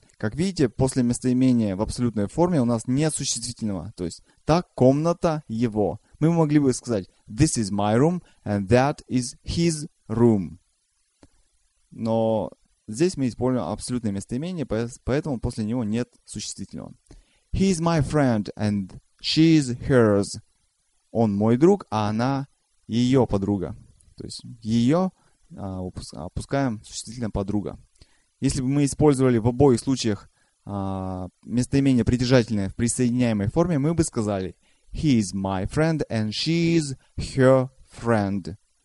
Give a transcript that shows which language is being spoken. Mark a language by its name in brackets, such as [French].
[Russian] Как видите, после местоимения в абсолютной форме у нас нет существительного, то есть «та комната его». Мы могли бы сказать [English] «This is my room, and that is his room». [Russian] Но здесь мы используем абсолютное местоимение, поэтому после него нет существительного. [English] «He is my friend, and she is hers». [Russian] «Он мой друг, а она ее подруга». То есть «ее» опускаем существительное «подруга». Если бы мы использовали в обоих случаях местоимение притяжательное в присоединяемой форме, мы бы сказали [English] «He is my friend and she is her friend».